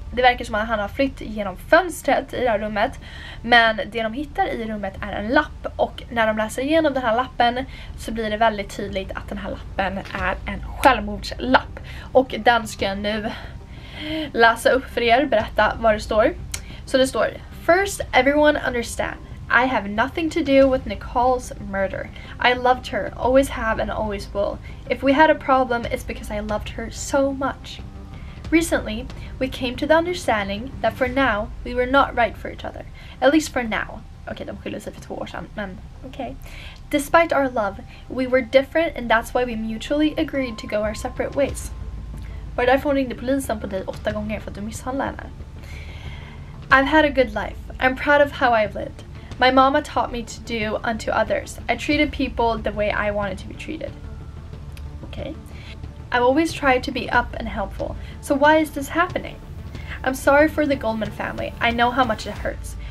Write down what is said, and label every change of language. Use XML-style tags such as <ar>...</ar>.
<sv>Det verkar som att han har flytt genom fönstret i det här rummet, men det de hittar i rummet är en lapp, och när de läser igenom den här lappen så blir det väldigt tydligt att den här lappen är en självmordslapp. Och den ska jag nu läsa upp för er, berätta vad det står. Så det står:</sv> <en>First, everyone understand, I have nothing to do with Nicole's murder. I loved her, always have and always will. If we had a problem, it's because I loved her so much. Recently, we came to the understanding that for now, we were not right for each other. At least for now.</en> <sv>Okay, de skiljer sig för 2 år sedan, men okay.</sv> <en>Despite our love, we were different, and that's why we mutually agreed to go our separate ways.</en> <sv>Var därför hon ringde polisen på dig 8 gånger för att du misshandlade henne.</sv> <en>I've had a good life. I'm proud of how I've lived. My mama taught me to do unto others. I treated people the way I wanted to be treated. Okay. I've always tried to be up and helpful. So why is this happening? I'm sorry for the Goldman family. I know how much it hurts.</en>